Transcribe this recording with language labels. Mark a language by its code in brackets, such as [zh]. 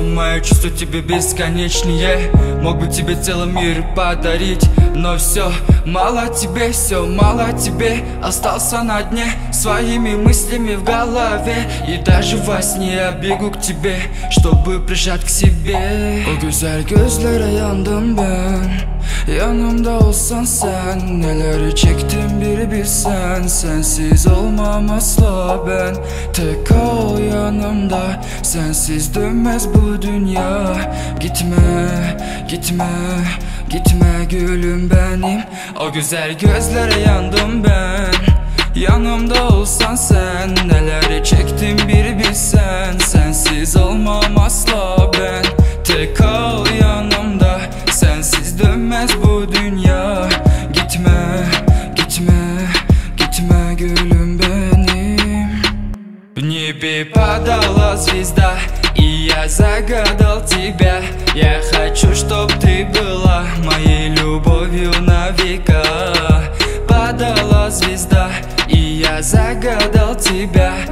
[ru] Мое чувство тебе бесконечное. Мог бы тебе целый мир подарить, но все мало тебе, все мало тебе. Остался на дне своими мыслями в голове. И даже во сне я бегу к тебе, чтобы прижать к себе. [tr] О, güzel gözlere yandım ben. Yanımda olsan sen, neleri çektim bir bilsen. Sensiz olmam asla ben, tek ol yanımda. Sensiz dönmez bu dünya. Gitme, gitme, gitme gülüm benim. O güzel gözlere yandım ben. Yanımda olsan sen, neleri çektim bir bilsen. Sensiz olmam asla ben, tek ol yanımda. Sensiz dönmez bu dünya. Gitme, gitme, gitme gülüm benim. [ru] В небе падала звезда, и я загадал тебя. Я хочу, чтоб ты была моей любовью на века. Падала звезда, и я загадал тебя.